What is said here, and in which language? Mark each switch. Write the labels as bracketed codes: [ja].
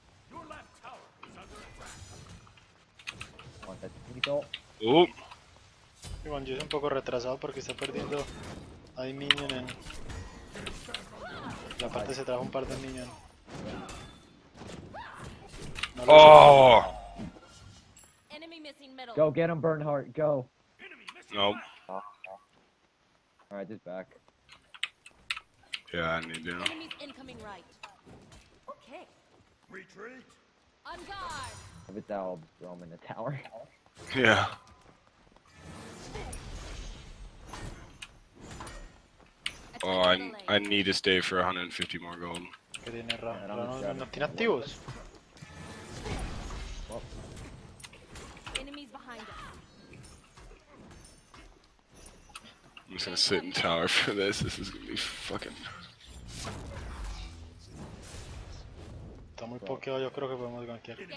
[en] Your left tower is under attack. Want that Tito? Oop. [es] Y bueno, yo soy un poco retrasado porque está perdiendo. Hay minion en. La parte se trajo un par de minion. No lo sé. Oh. [en] Enemy missing middle. Go get him, Bernhardt. Go. Nope. Oh. All right, just back. Yeah, I need him. Enemy incoming right. Retreat. I'm guard. Have a towel, throw him in the tower. Yeah. Oh, I need to stay for 150 more gold. [es] Que tiene no tiene activos. [en] Enemies behind us. I'm just gonna sit in tower for this. This is gonna be fucking. [es] Está muy pokeado, yo creo que podemos gankear.